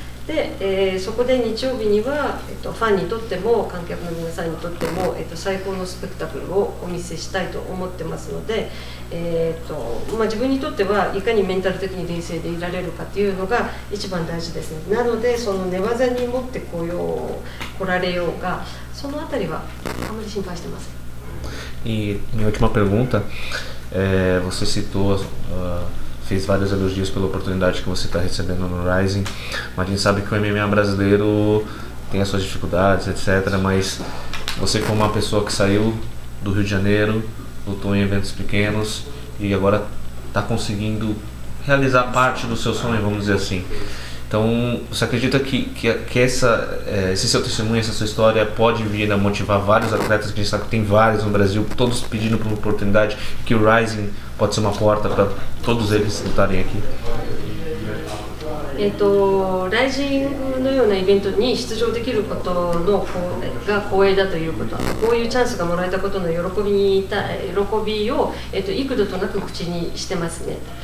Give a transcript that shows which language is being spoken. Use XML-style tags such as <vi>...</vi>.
<ja>で、そこで日曜日には、ファンにとっても観客の皆さんにとっても、最高のスペクタクルをお見せしたいと思ってますので、まあ、自分にとってはいかにメンタル的に冷静でいられるかというのが一番大事ですね。なのでその寝技に持ってこよう、来られようが、その辺りはあまり心配してません。</ja> <pt>E minha última pergunta, você citou, fez vários elogios pela oportunidade que você está recebendo no Rising, mas a gente sabe que o MMA brasileiro tem as suas dificuldades, etc. Mas você, como uma pessoa que saiu do Rio de Janeiro, lutou em eventos pequenos e agora está conseguindo realizar parte do seu sonho, vamos dizer assim. Então, você acredita que essa, esse seu testemunho, essa sua história pode vir a motivar vários atletas, que a gente sabe que tem vários no Brasil, todos pedindo por uma oportunidade, que o Rising pode ser uma porta para todos eles lutarem aqui?</pt> <ja>Rising のようなイベントに出場できることのが光栄だということ、こういうチャンスがもらえたことの喜びを、幾度となく口にしてますね。</ja>